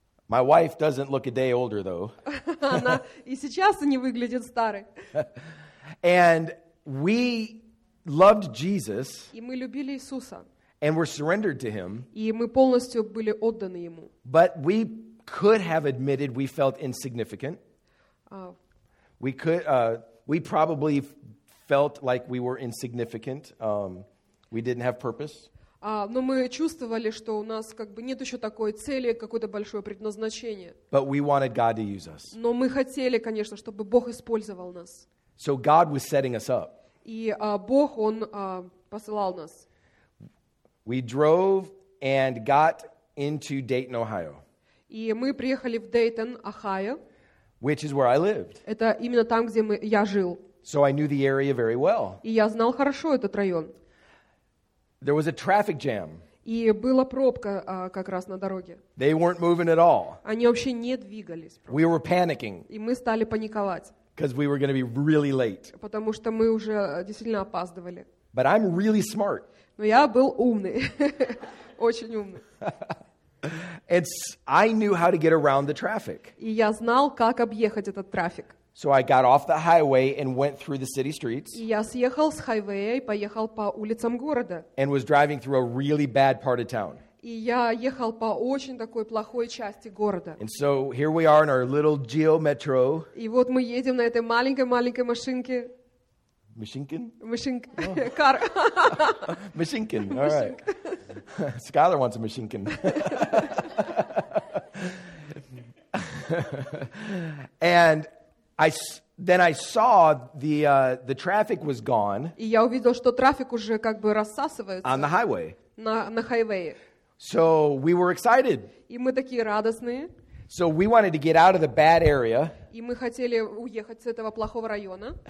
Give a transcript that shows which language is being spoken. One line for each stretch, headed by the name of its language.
English: My wife doesn't look a day older, though.
Russian: Она и сейчас не выглядит старой.
English: And we loved Jesus.
Russian: И мы любили Иисуса.
English: And we're surrendered to Him.
Russian: И мы полностью были отданы Ему.
English: But we could have admitted we felt insignificant. We could. We probably felt like we were insignificant. We didn't have purpose.
Russian: Но мы чувствовали, что у нас как бы нет еще такой цели, какое-то большое предназначение.
English: But we wanted God to use us.
Russian: Но мы хотели, конечно, чтобы Бог использовал нас.
English: So God was setting us up.
Russian: И Бог, Он посылал нас.
English: We drove and got into Dayton, Ohio.
Russian: И мы приехали в Дейтон, Охайо.
English: Which is where I lived.
Russian: Это именно там, где я жил.
English: So I knew the area very well.
Russian: И я знал хорошо этот район.
English: There was a traffic jam.
Russian: И была пробка как раз на дороге.
English: They weren't moving at all.
Russian: Они вообще не двигались. Просто.
English: We were panicking.
Russian: И мы стали паниковать.
English: Because we were going to be really late.
Russian: Потому что мы уже действительно опаздывали.
English: But I'm really smart.
Russian: Но я был умный. Очень умный.
English: I knew how to get around the traffic.
Russian: И я знал, как объехать этот трафик.
English: So I got off the highway and went through the city streets.
Russian: И я съехал с хайвея и поехал по улицам города.
English: And was driving through a really bad part of town.
Russian: И я ехал по очень такой плохой части города.
English: And so here we are in our little Geo Metro.
Russian: И вот мы едем на этой маленькой машинке.
English: Mishinkin? Mishinkin. Oh. Mishinkin. All right. Skylar wants a Mishinkin. And I saw the traffic was gone.
Russian: И я увидел, что трафик уже как бы рассасывается.
English: On the highway.
Russian: На хайвее.
English: So we were excited.
Russian: И мы такие радостные.
English: So we wanted to get out of the bad area.
Russian: И мы хотели уехать с этого плохого района.